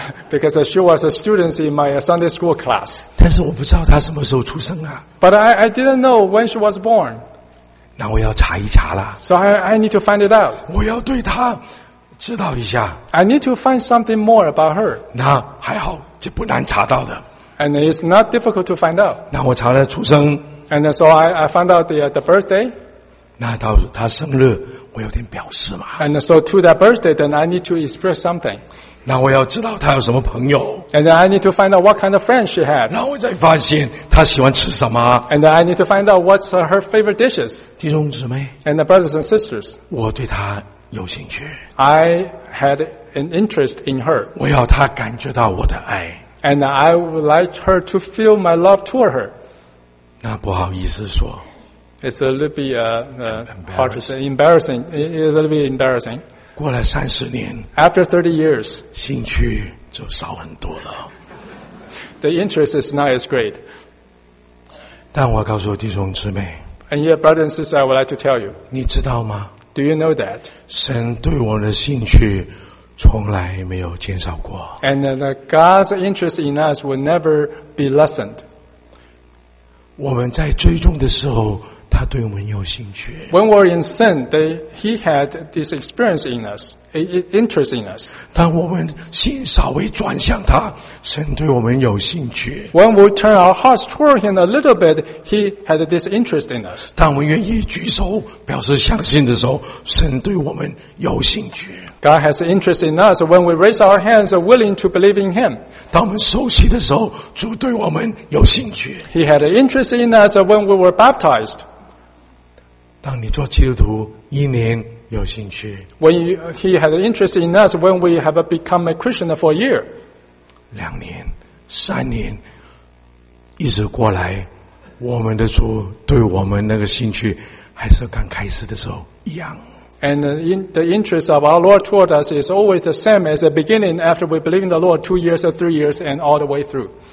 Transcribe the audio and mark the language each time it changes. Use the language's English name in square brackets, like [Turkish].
[English] Because she was a student in my Sunday school class. [Chinese] 但是我不知道她什么时候出生啊。 [English] But I didn't know when she was born. [Chinese] 那我要查一查了。 [English] So I need to find it out. [Chinese] 我要对她知道一下。 [English] I need to find something more about her. [Chinese] 那还好，这不难查到的。 [English] And it's not difficult to find out. [Chinese] 那我查了出生。 [English] And so I found out the birthday. [Chinese] 那到她生日，我有点表示嘛。 [English] And so to that birthday, then I need to express something. [Chinese] 那我要知道他有什么朋友。 [English] And then I need to find out what kind of friends she had. [Chinese] 然后我再发现他喜欢吃什么。 [English] And then I need to find out what's her favorite dishes. [Chinese] 弟兄姊妹。 [English] And the brothers and sisters. [Chinese] 我对他有兴趣。 [English] I had an interest in her. [Chinese] 我要他感觉到我的爱。 [English] And I would like her to feel my love toward her. [Chinese] 那不好意思说。 [English] It's a little bit embarrassing. It's a little bit embarrassing. [Chinese] 过了三十年 [English] ，After 30 years， [Chinese] 兴趣就少很多了。 [English] The interest is not as great。 [Chinese] 但我告诉弟兄姊妹 [English] ，And yet, brothers and sisters, I would like to tell you。 [Chinese] 你知道吗 [English] ？Do you know that？ [Chinese] 神对我的兴趣从来没有减少过。 [English] And God's interest in us will never be lessened。 [Chinese] 我们在追踪的时候。他对我们有兴趣。 [English] When we were in sin, he had this experience in us, interest in us. [Chinese] 当我们心稍微转向他，神对我们有兴趣。 [English] When we turn our hearts toward him a little bit, he had this interest in us. [Chinese] 当我们愿意举手表示相信的时候，神对我们有兴趣。 [English] God has interest in us when we raise our hands willing to believe in Him. [Chinese] 当我们受洗的时候，主对我们有兴趣。 [English] He had interest in us when we were baptized. [Chinese] 当你做基督徒一年有兴趣。 [English] He had interest in us when we have become a Christian for a year. [Chinese] 两年、三年，一直过来，我们的主对我们那个兴趣还是刚开始的时候一样。 [English] And the interest of our Lord toward us is always the same as the beginning after we believe in the Lord 2 years or 3 years and all the way through.